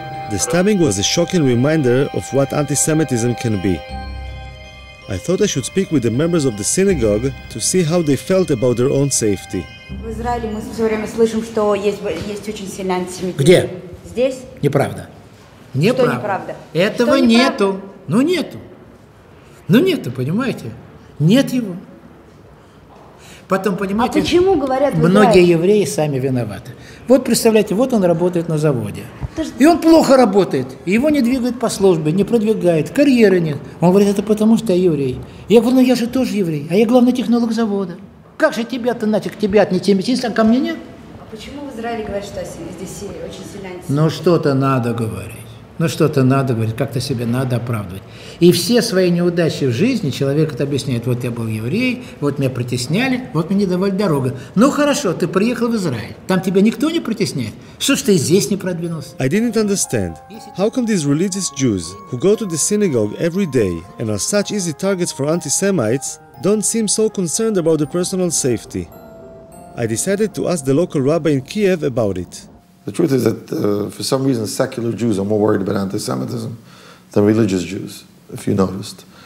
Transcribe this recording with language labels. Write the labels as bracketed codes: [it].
[en] The stabbing was a shocking reminder of what anti-Semitism can be. I thought I should speak with the members of the synagogue to see how they felt about their own safety. [ru] В Израиле мы все время слышим, что есть очень сильный антисемитизм. Где? Здесь? Неправда. Неправда. Что неправда? Этого что неправда? Нету. Ну нету. Ну нету, понимаете? Нет его. Потом, понимаете, а почему, говорят, многие евреи сами виноваты. Вот представляете, вот он работает на заводе. И он плохо работает. Его не двигают по службе, не продвигают. Карьеры нет. Он говорит, это потому что я еврей. Я говорю, ну я же тоже еврей. А я главный технолог завода. Как же тебя-то нафиг, тебя-то не антисемитизм, а ко мне нет? А почему в Израиле говорят, что здесь очень сильно антисемитизм? Ну что-то надо говорить. Ну что-то надо говорить, как-то себе надо оправдывать. И все свои неудачи в жизни человек это объясняет. Вот я был еврей, вот меня притесняли, вот мне не давали дорогу. Ну хорошо, ты приехал в Израиль, там тебя никто не притесняет. Что ж ты здесь не продвинулся? [en] I didn't understand. How come these religious Jews, who go to the synagogue every day and are such easy targets for anti-Semites, don't seem so concerned about the personal safety? I decided to ask the local rabbi in Kiev about it. The truth is that for some reason secular Jews are more worried about anti-Semitism than religious Jews, if you noticed.